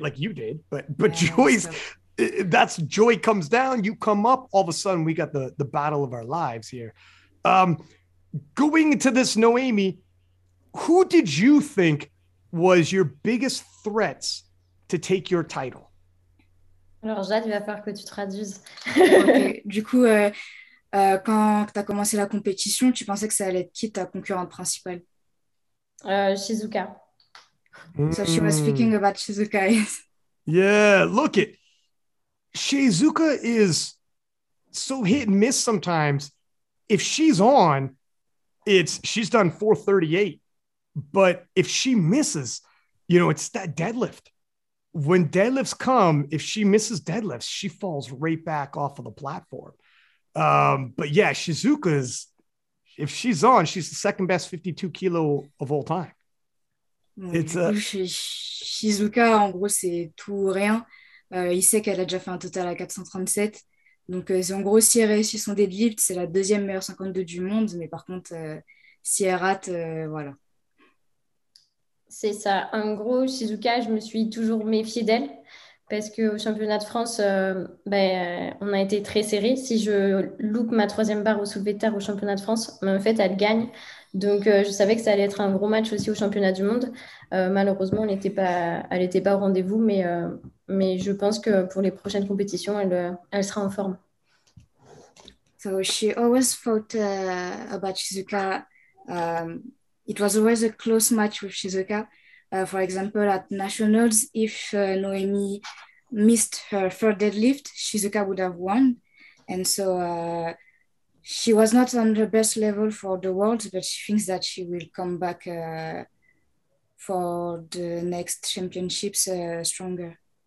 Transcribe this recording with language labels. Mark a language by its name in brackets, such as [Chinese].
[English] Like you did, but yeah, Joy's... That's Joy comes down, you come up, all of a sudden we got the battle of our lives here. Going to this, Noemi, who did you think was your biggest threats to take your title? [French] Alors Jade, il va falloir que tu traduises. Du coup, quand tu as commencé la compétition, tu pensais que ça allait être qui ta concurrente principale? Shizuka. [English] So she was speaking about Shizuka. Yeah, look it. Shizuka is so hit and miss sometimes. If she's on, she's done 438. But if she misses, you know, it's that deadlift. When deadlifts come, if she misses deadlifts, she falls right back off of the platform. But yeah, Shizuka's, if she's on, she's the second best 52 kilo of all time. [French] Shizuka, en gros, c'est tout rien. Il sait qu'elle a déjà fait un total à 437. Donc, en gros, si elle réussit son deadlift, c'est la deuxième meilleure 52 du monde. Mais par contre, si elle rate, voilà. C'est ça. En gros, Shizuka, je me suis toujours méfiée d'elle parce qu'au championnat de France, on a été très serrés. Si je loupe ma troisième barre au soulevé de terre au championnat de France, mais en fait, elle gagne. Donc, je savais que ça allait être un gros match aussi au championnat du monde. Malheureusement, elle n'était pas au rendez-vous, mais je pense que pour les prochaines compétitions, elle sera en forme. [English] So she always thought about Shizuka. It was always a close match with Shizuka. For example, at Nationals, if Noemi missed her third deadlift, Shizuka would have won. And so she was not on the best level for the world, but she thinks that she will come back for the next championships stronger.